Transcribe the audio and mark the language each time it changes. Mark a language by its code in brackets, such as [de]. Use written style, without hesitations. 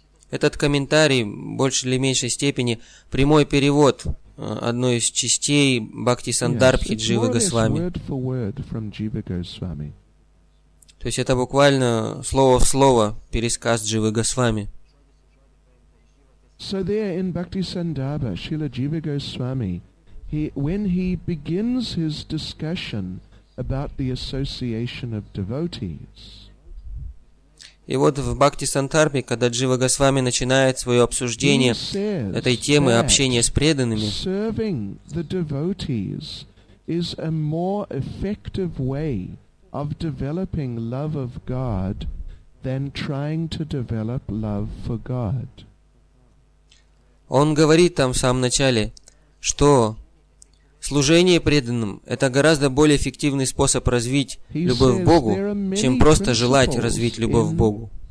[ru] Этот комментарий больше или меньшей степени прямой перевод одной из частей Бхакти Сандарбхи Дживы Госвами. То есть это буквально слово в слово пересказ Дживы Госвами. [en] So there in Bhakti Sandarbha, Srila Jiva Goswami, when he begins his discussion about the association of devotees. [ru] И вот в Бхакти Сандарбхе, когда Джива Госвами начинает свое обсуждение этой темы общения с преданными, [en] serving the devotees is a more effective way of developing love of God than trying to develop love for God. [ru] Он говорит там в самом начале, что служение преданным – это гораздо более эффективный способ развить любовь к Богу, чем просто желать развить любовь к Богу.